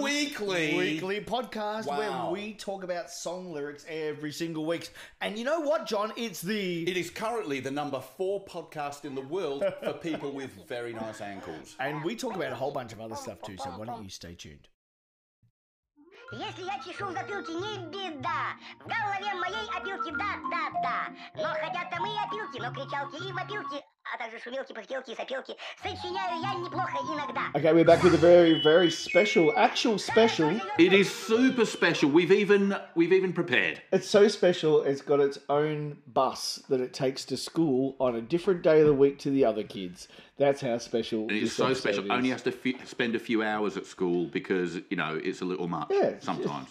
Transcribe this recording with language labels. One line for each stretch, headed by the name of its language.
English: Weekly. Weekly podcast where we talk about song lyrics every single week. And you know what, John? It is currently the number four podcast in the world for people with very nice ankles. And we talk about a whole bunch of other stuff too, so why don't you stay tuned?
Russian: Если я чешу в затылке, не беда. В голове моей опилки, да-да-да. Но хотя там и опилки, но кричалки и вопилки, а также шумилки, пыхтелки и сопилки, сочиняю я неплохо иногда.
English: Okay, we're back with a very, very special, actual special. It is super special. We've even prepared. It's so special, it's got its own bus that it takes to school on a different day of the week to the other kids. That's how special it is. It's so special. Only has to spend a few hours at school because, you know, it's a little much sometimes.